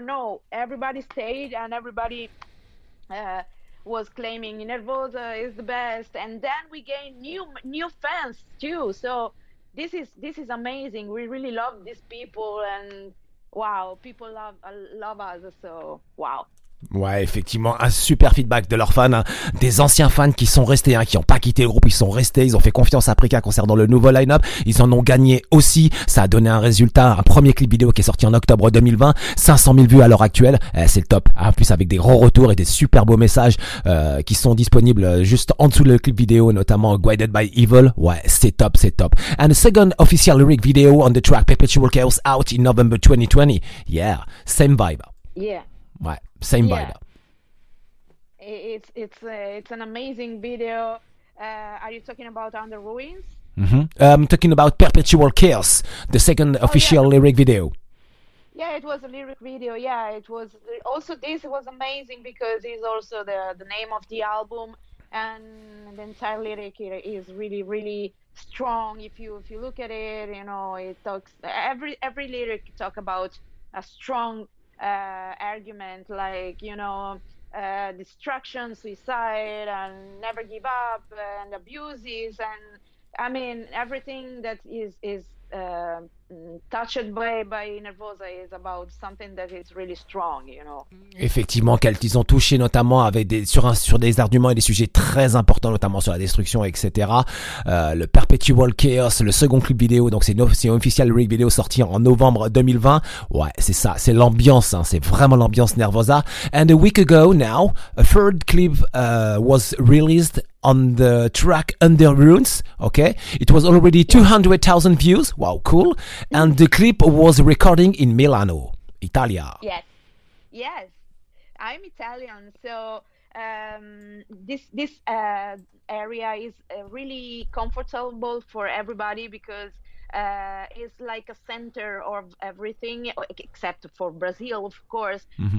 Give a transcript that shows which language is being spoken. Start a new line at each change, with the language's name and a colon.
English: No, everybody stayed, and everybody was claiming Nervosa is the best, and then we gained new fans too. So this is amazing. We really love these people, and wow, people love us. So wow.
French: Ouais, effectivement, un super feedback de leurs fans, hein. Des anciens fans qui sont restés, hein, qui n'ont pas quitté le groupe, ils sont restés, ils ont fait confiance à Prika concernant le nouveau line-up, ils en ont gagné aussi, ça a donné un résultat, un premier clip vidéo qui est sorti en octobre 2020, 500 000 vues à l'heure actuelle, c'est le top, hein, plus avec des gros retours et des super beaux messages qui sont disponibles juste en dessous de le clip vidéo, notamment Guided by Evil, ouais, c'est top, c'est top.
English: And a second official lyric video on the track Perpetual Chaos out in November 2020, yeah, same vibe. Yeah. Ouais, same vibe. Yeah. It's an amazing video. Are you talking about Under Ruins? Mm-hmm. I'm talking about Perpetual Chaos, the second official lyric video. Yeah, it was a lyric video. Yeah, it was also, this was amazing because it's also the name of the album, and the entire lyric is really really strong. If you look at it, you know, it talks every lyric talk about a strong argument, like, you know, destruction, suicide, and never give up, and abuses, and I mean everything that is touched by Nervosa is about something that is really strong, you know.
French: Effectivement, qu'ils ont touché notamment avec des arguments et des sujets très importants, notamment sur la destruction, etc. Le Perpetual Chaos, le second clip vidéo, donc c'est un
English: official lyric video
French: sorti en novembre 2020. Ouais, c'est ça, c'est l'ambiance, hein, c'est vraiment l'ambiance Nervosa.
English: And a week ago now, a third clip was released on the track Under Ruins, okay? It was already 200,000 views, wow, cool. And the clip was recording in Milano, Italia. Yes, yes. I'm Italian, so this area is really comfortable for everybody because it's like a center of everything, except for Brazil, of course, mm-hmm.